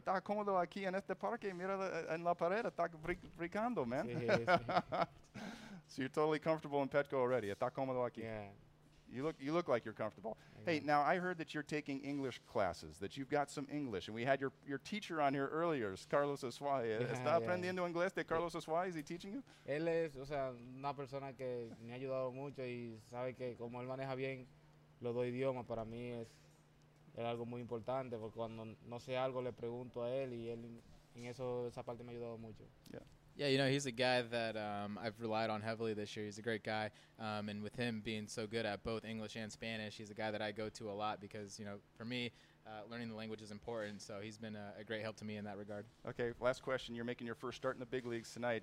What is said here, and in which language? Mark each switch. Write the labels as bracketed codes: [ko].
[es] Está cómodo aquí en este parque. Mira en la pared. Está brincando, man. Sí. [en] So you're totally comfortable in Petco already. [es] Está cómodo aquí. [en] Yeah. You look like you're comfortable. Hey, now I heard that you're taking English classes, that you've got some English, and we had your teacher on here earlier, Carlos Osuay. [es] ¿Está aprendiendo inglés de Carlos Osuay? [en] Is he teaching you? [es] Él es, o sea, una persona que me ha ayudado mucho y sabe que como él maneja bien los dos idiomas, para mí es algo muy importante, porque cuando no sé algo le pregunto a él y él en eso esa parte me ha ayudado mucho. [en] Yeah, you know, he's a guy that I've relied on heavily this year. He's a great guy. And with him being so good at both English and Spanish, he's a guy that I go to a lot because, you know, for me, learning the language is important. So he's been a great help to me in that regard. Okay, last question. You're making your first start in the big leagues tonight.